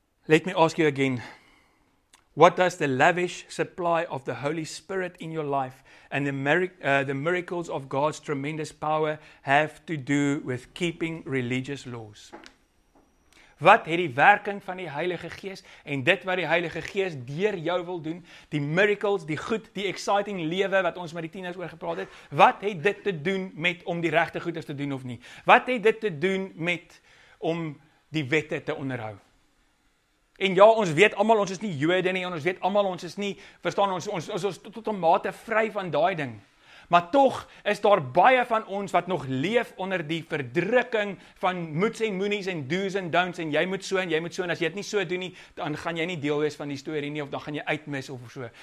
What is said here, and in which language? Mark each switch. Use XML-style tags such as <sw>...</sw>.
<en>Let me ask you again, what does the lavish supply of the Holy Spirit in your life and the miracles of God's tremendous power have to do with keeping religious laws?</en> <af>Wat het die werking van die Heilige Gees en dit wat die Heilige Gees deur jou wil doen, die miracles, die goed, die exciting lewe wat ons met die tieners oor gepraat het, wat het dit te doen met om die regte goeders te doen of nie? Wat het dit te doen met om die wette te onderhou? En ja, ons weet allemaal, ons is nie Jode nie, en ons weet allemaal, ons is nie, verstaan ons is tot een mate vry van daai ding. Maar toch is daar baie van ons wat nog leef onder die verdrukking van moets en moenies en do's en don'ts en jy moet so en jy moet so en as jy het nie so doen nie, dan gaan jy nie deel wees van die story nie of dan gaan jy uitmis of so.</af>